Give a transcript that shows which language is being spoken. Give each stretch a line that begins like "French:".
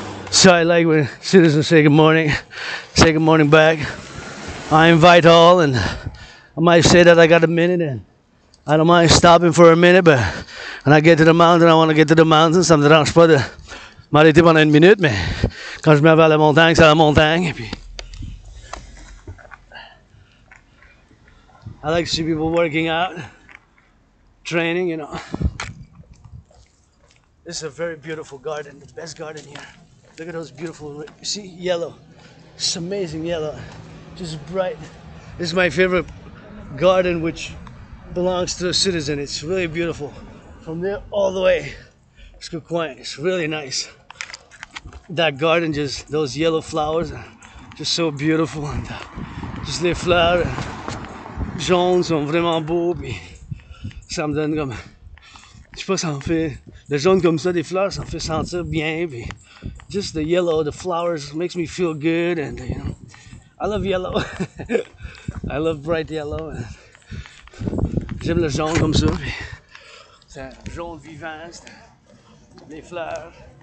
English: So I like when citizens say good morning, back. I invite all, and I might say that I got a minute, and I don't mind stopping for a minute, but when I get to the mountain, I want to get to the mountain.
French: Ça me dérange pas de m'arrêter pendant une minute, mais quand je m'en vais à la montagne, c'est à la montagne.
English: Puis I like to see people working out, training, you know. This is a very beautiful garden, the best garden here. Look at those beautiful, see, yellow. It's amazing yellow. Just bright, This is my favorite garden, which belongs to a citizen. It's really beautiful. From there all the way, it's good quiet. It's really nice. That garden, just those yellow flowers, just so beautiful. And just
French: les fleurs jaunes sont vraiment beaux. Puis ça me donne comme, je sais pas, ça me fait, le jaune comme ça, des fleurs, ça me fait sentir bien.
English: Puis just the yellow, the flowers, makes me feel good. And you know, I love yellow. I love bright yellow.
French: J'aime le jaune comme ça. Puis c'est un jaune vivant, les fleurs.